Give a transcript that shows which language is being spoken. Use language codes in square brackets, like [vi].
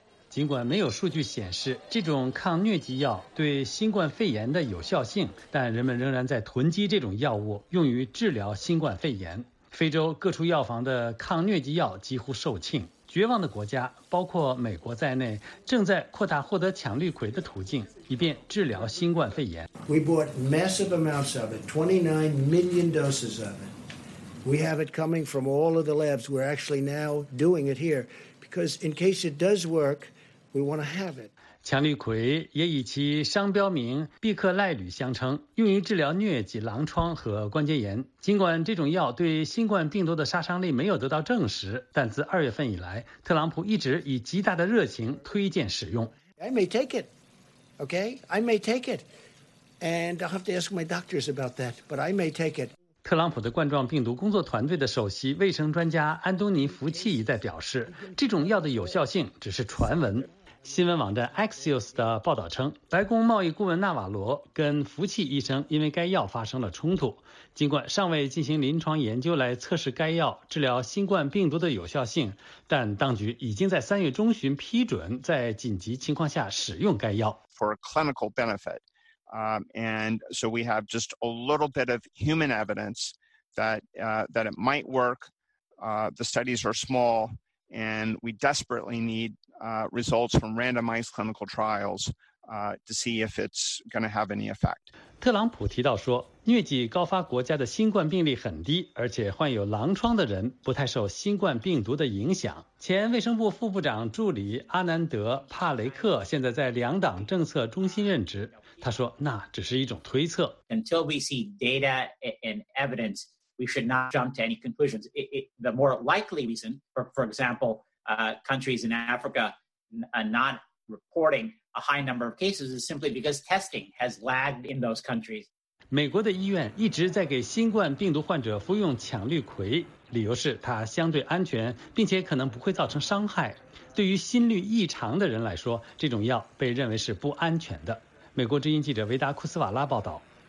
[zh] 尽管没有数据显示这种抗疟疾药对新冠肺炎的有效性，但人们仍然在囤积这种药物用于治疗新冠肺炎。非洲各处药房的抗疟疾药几乎售罄，绝望的国家包括美国在内正在扩大获得强氯喹的途径，以便治疗新冠肺炎。 [en] We bought massive amounts of it, 29 million doses of it. We have it coming from all of the labs. We're actually now doing it here because in case it does work,We want to have it. [zh] 强氯喹也以其商标名必克赖吕相称，用于治疗疟疾、狼疮和关节炎。尽管这种药对新冠病毒的杀伤力没有得到证实，但自二月份以来，特朗普一直以极大的热情推荐使用。 [en] I may take it, okay? I may take it, and I'll have to ask my doctors about that. But I may take it. [zh] 特朗普的冠状病毒工作团队的首席卫生专家安东尼·福契一再表示，这种药的有效性只是传闻。新闻网站 Axios 的报道称，白宫贸易顾问纳瓦罗跟福契医生因为该药发生了冲突。尽管尚未进行临床研究来测试该药治疗新冠病毒的有效性，但当局已经在三月中旬批准在紧急情况下使用该药。 [en] For a clinical benefit, and so we have just a little bit of human evidence that it might work. The studies are small, and we desperately need. Results from randomized clinical trials to see if it's going to have any effect. [zh] 特朗普提到说，疟疾高发国家的新冠病例很低，而且患有狼疮的人不太受新冠病毒的影响。前卫生部副部长助理阿南德·帕雷克现在在两党政策中心任职。他说，那只是一种推测。 [en] Until we see data and evidence, we should not jump to any conclusions. The more likely reason, for example,countries in Africa not reporting a high number of cases is simply because testing has lagged in those countries. [zh] 美国的医院一直在给新冠病毒患者服用强氯喹，理由是它相对安全，并且可能不会造成伤害。对于心律异常的人来说，这种药被认为是不安全的。美国之音记者维达库斯瓦拉报道。